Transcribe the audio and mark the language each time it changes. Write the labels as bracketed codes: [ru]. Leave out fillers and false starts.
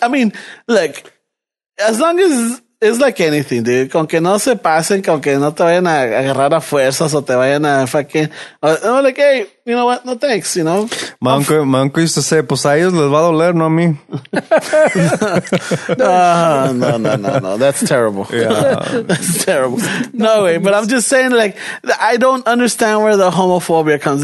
[en] I mean, like, as long as it's like anything, dude. [es] Con que no se pasen, con que no te vayan a agarrar a fuerzas o te vayan a fucking. [en] I'm like, hey, you know what? No thanks, you know? My uncle used to say, [es] pues a ellos les va a doler, no a mí. [en] No. That's terrible. Yeah. That's terrible. No way. But I'm just saying, like, I don't understand where the homophobia comes.